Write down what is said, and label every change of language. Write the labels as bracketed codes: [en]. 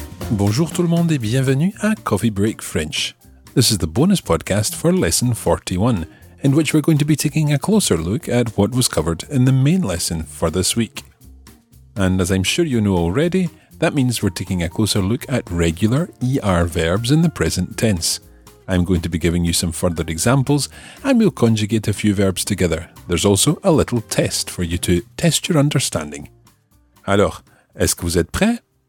[fr] Bonjour tout le monde et bienvenue à Coffee Break French. [en] This is the bonus podcast for Lesson 41, in which we're going to be taking a closer look at what was covered in the main lesson for this week. And as I'm sure you know already, that means we're taking a closer look at regular ER verbs in the present tense. I'm going to be giving you some further examples, and we'll conjugate a few verbs together. There's also a little test for you to test your understanding. [fr] Alors, est-ce que vous êtes prêts?